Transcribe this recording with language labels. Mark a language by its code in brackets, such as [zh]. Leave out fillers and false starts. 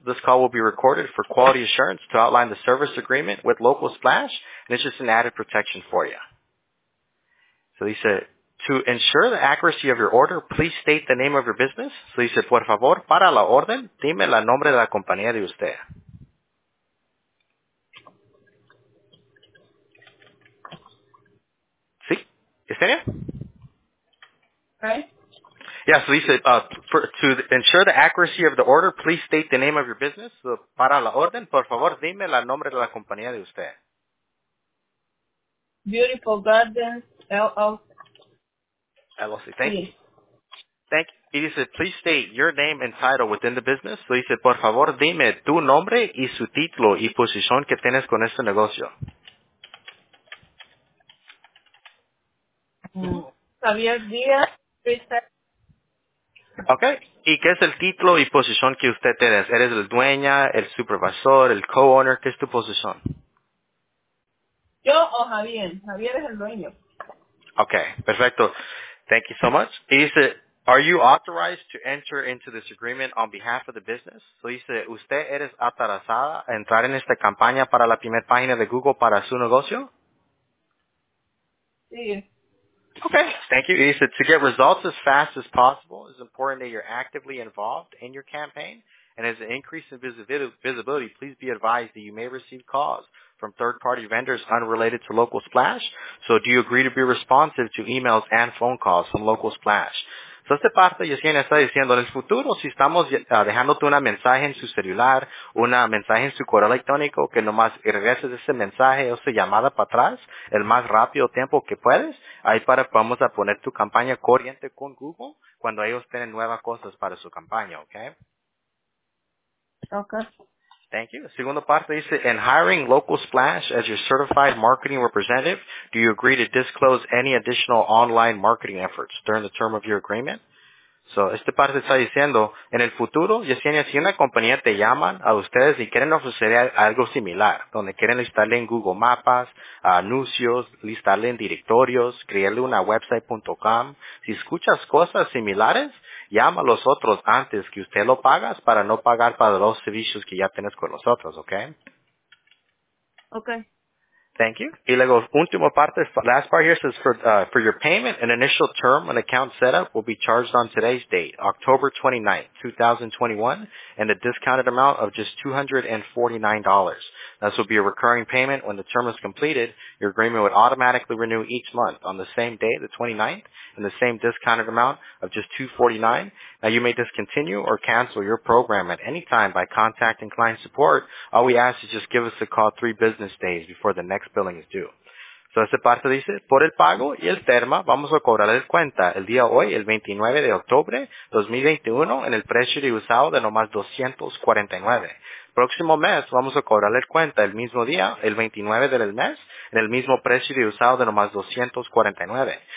[en] This call will be recorded for quality assurance to outline the service agreement with Local Splash, and it's just an added protection for you. So he said, to ensure the accuracy of your order, please state the name of your business. So he said, [es] por favor, para la orden, dime el nombre de la compañía de usted. ¿Sí? ¿Yesenia? [en] Okay. Yeah, so he said, to ensure the accuracy of the order, please state the name of your business. [es] So, para la orden, por favor, dime el nombre de la compañía de usted. [en] Beautiful Gardens, LLC. LLC, thank you. Thank you. He said, please state your name and title within the business. So he said, [es] por favor, dime tu nombre y su título y posición que tienes con este negocio. [en] Javier Díaz, please. Okay. [es] ¿Y qué es el título y posición que usted tiene? ¿Eres el dueña, el supervisor, el co-owner? ¿Qué es tu posición? Yo o Javier. Javier es el dueño. [en] Okay. [es] Perfecto. [en] Thank you so much. [es] Y dice, [en] are you authorized to enter into this agreement on behalf of the business? [es] So dice, ¿usted eres autorizada a entrar en esta campaña para la primera página de Google para su negocio? Sí. [en] Okay, thank you. He said, to get results as fast as possible, it's important that you're actively involved in your campaign. And as an increase in visibility, please be advised that you may receive calls from third-party vendors unrelated to Local Splash. So do you agree to be responsive to emails and phone calls from Local Splash? [es] So, esta parte, Yesenia está diciendo, en el futuro, si estamos dejándote una mensaje en su celular, una mensaje en su correo electrónico, que nomás regreses ese mensaje o esa llamada para atrás, el más rápido tiempo que puedes, ahí para vamos a poner tu campaña corriente con Google cuando ellos tienen nuevas cosas para su campaña, ¿ok? [en] Ok. Thank you. [es] Segunda parte dice, [en] in hiring Local Splash as your certified marketing representative, do you agree to disclose any additional online marketing efforts during the term of your agreement? [es] So, esta parte está diciendo, en el futuro, Yesenia, si una compañía te llama a ustedes y quieren ofrecer algo similar, donde quieren listarle en Google Maps, anuncios, listarle en directorios, crearle una website.com, si escuchas cosas similares, llama a los otros antes que usted lo pagas para no pagar para los servicios que ya tienes con nosotros, ¿ok? [en] Ok. Thank you. [es] Y luego, último parte, [en] last part here says, for your payment, an initial term and account setup will be charged on today's date, October 29th, 2021, and a discounted amount of just $249. This will be a recurring payment. When the term is completed, your agreement would automatically renew each month on the same day, the 29th, and the same discounted amount of just $249. Now, you may discontinue or cancel your program at any time by contacting client support. All we ask is just give us a call 3 business days before the next billing is due. [es] So, esta parte dice, por el pago y el termo, vamos a cobrar el cuenta el día hoy, el 29 de octubre 2021, en el precio de usado de nomás $249. Próximo mes, vamos a cobrar el cuenta el mismo día, el 29 del mes, en el mismo precio de usado de nomás $249.